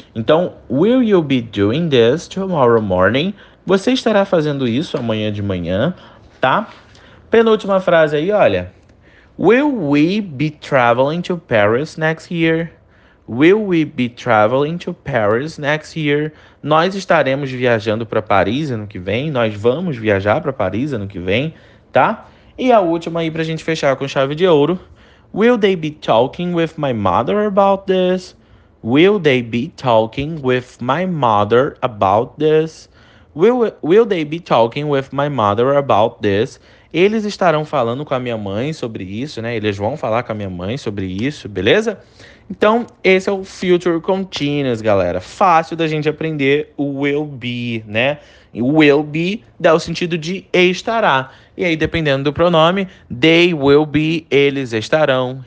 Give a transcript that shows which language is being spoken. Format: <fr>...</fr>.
<en>Então, will you be doing this tomorrow morning?</en> <pt>Você estará fazendo isso amanhã de manhã, tá? Penúltima frase aí, olha.</pt> <en>Will we be traveling to Paris next year? Will we be traveling to Paris next year?</en> <pt>Nós estaremos viajando para Paris ano que vem. Nós vamos viajar para Paris ano que vem, tá? E a última aí para a gente fechar com chave de ouro.</pt> <en>Will they be talking with my mother about this? Will they be talking with my mother about this? Will they be talking with my mother about this?</en> <pt>Eles estarão falando com a minha mãe sobre isso, né? Eles vão falar com a minha mãe sobre isso, beleza? Então, esse é o Future Continuous, galera. Fácil da gente aprender o will be, né? O will be dá o sentido de estará. E aí, dependendo do pronome,</pt> <en>they will be,</en> <pt>eles estarão.</pt>